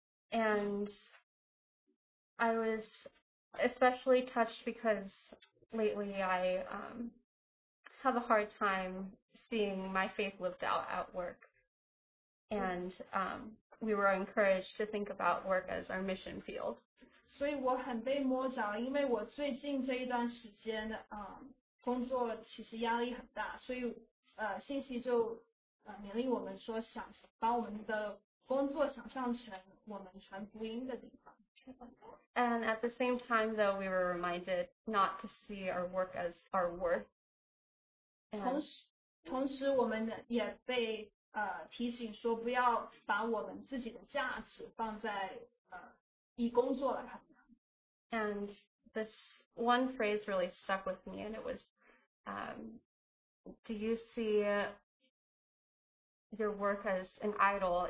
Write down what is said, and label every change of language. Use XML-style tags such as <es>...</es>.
<en>And I was especially touched because lately I have a hard time seeing my faith lived out at work. And we were encouraged to think about work as our mission field.</en> <zh>所以我很被摸着，因为我最近这一段时间工作其实压力很大，所以信息就勉励我们说想把我们的工作想象成我们传福音的地方。</zh> <en>And at the same time, though, we were reminded not to see our work as our worth.</en> <zh>同时我们也被提醒说不要把我们自己的价值放在以工作来衡量。</zh> <en>And this one phrase really stuck with me, and it was, "Do you see your work as an idol?</en>